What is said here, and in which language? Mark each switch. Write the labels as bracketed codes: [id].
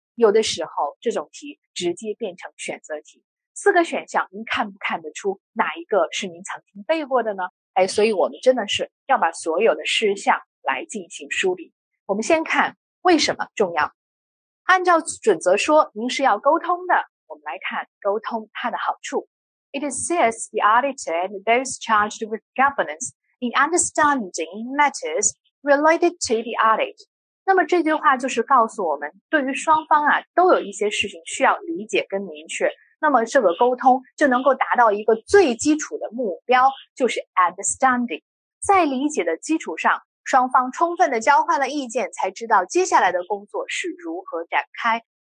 [zh] 有的时候这种题直接变成选择题，四个选项您看不看得出哪一个是您曾经背过的呢？哎，所以我们真的是要把所有的事项来进行梳理。我们先看为什么重要？按照准则说，您是要沟通的。我们来看沟通它的好处。 [en] It assists the auditor and those charged with governance in understanding matters related to the audit. [zh] 那么这句话就是告诉我们，对于双方啊，都有一些事情需要理解跟明确。那么这个沟通就能够达到一个最基础的目标，就是 understanding。在理解的基础上，双方充分的交换了意见，才知道接下来的工作是如何展开。